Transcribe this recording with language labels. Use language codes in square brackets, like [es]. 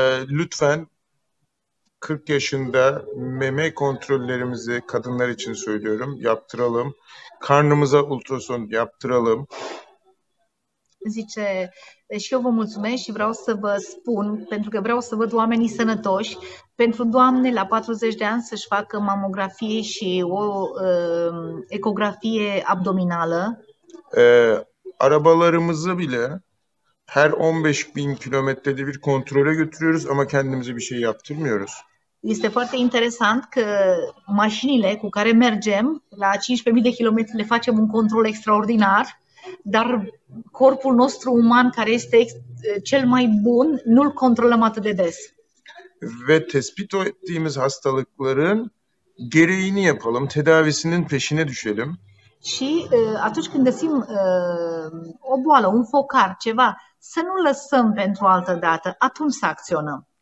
[tr] Lütfen 40 yaşında meme kontrollerimizi kadınlar için söylüyorum. Yaptıralım. Karnımıza ultrason yaptıralım. [ro] Zice, și eu vă mulțumesc și vreau să vă spun, pentru că vreau să văd oamenii sănătoși, pentru doamne la 40 de ani să-și facă mamografie și o ecografie abdominală. [tr] Arabalarımızı bile her 15 bin kilometrede bir kontrole götürüyoruz ama kendimize bir şey yaptırmıyoruz. [ro] Este foarte interesant că mașinile cu care mergem la 15.000 de kilometri le facem un control extraordinar, dar corpul nostru uman care este cel mai bun nu-l controlăm atât de des. [tr] Ve tespit ettiğimiz hastalıkların gereğini yapalım, tedavisinin peşine düşelim. [ro] Și atunci când găsim o boală, un focar, ceva, să nu lăsăm pentru altă dată, atunci să acționăm.